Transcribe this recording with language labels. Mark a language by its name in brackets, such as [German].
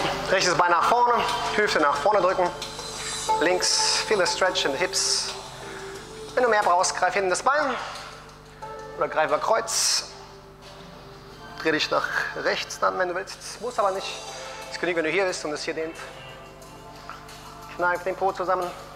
[German] Rechtes Bein nach vorne, Hüfte nach vorne drücken. [English] Links, feel the stretch in the hips. [German] Wenn du mehr brauchst, greif hinten das Bein. Oder greif über Kreuz. Dreh dich nach rechts dann, wenn du willst. Muss aber nicht. Das ist genügend, wenn du hier bist und es hier dehnt. Kneif den Po zusammen.